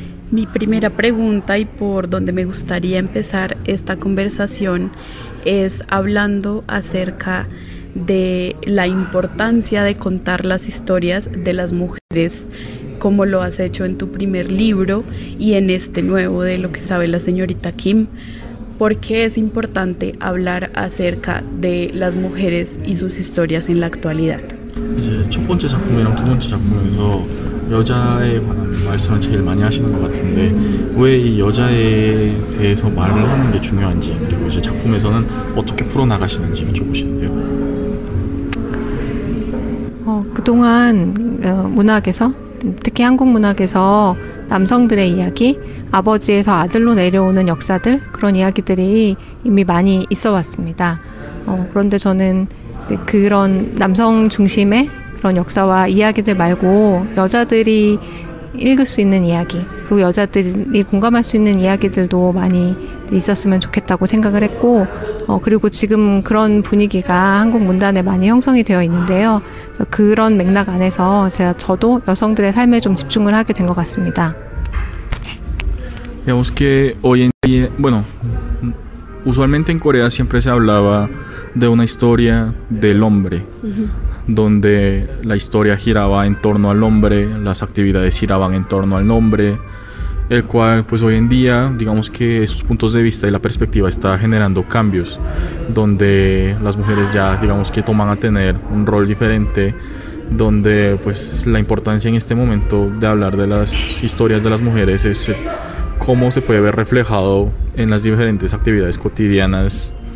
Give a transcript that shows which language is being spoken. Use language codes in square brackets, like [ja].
[es] Mi primera pregunta y por donde me gustaría empezar esta conversación es hablando acerca de la importancia de contar las historias de las mujeres, como lo has hecho en tu primer libro y en este nuevo de Lo que sabe la señorita Kim. ¿Por qué es importante hablar acerca de las mujeres y sus historias en la actualidad? [ko] 이제 첫 번째 작품이랑 두 번째 작품에서 여자에 관한 말씀을 제일 많이 하시는 것 같은데 왜 이 여자에 대해서 말을 하는 게 중요한지 그리고 이제 작품에서는 어떻게 풀어나가시는지 여쭤보시는데요. 그동안 문학에서 특히 한국 문학에서 남성들의 이야기, 아버지에서 아들로 내려오는 역사들 그런 이야기들이 이미 많이 있어 왔습니다. 그런데 저는 그런 남성 중심의 그런 역사와 이야기들 말고 여자들이 읽을 수 있는 이야기 그리고 여자들이 공감할 수 있는 이야기들도 많이 있었으면 좋겠다고 생각을 했고 그리고 지금 그런 분위기가 한국 문단에 많이 형성이 되어 있는데요. 그런 맥락 안에서 제가 저도 여성들의 삶에 좀 집중을 하게 된 것 같습니다. [es] Digamos que hoy en día, bueno, usualmente en Corea siempre se hablaba de una historia del hombre, donde la historia giraba en torno al hombre, las actividades giraban en torno al hombre, el cual pues hoy en día, digamos que esos puntos de vista y la perspectiva está generando cambios, donde las mujeres ya digamos que toman a tener un rol diferente, donde pues la importancia en este momento de hablar de las historias de las mujeres es cómo se puede ver reflejado en las diferentes actividades cotidianas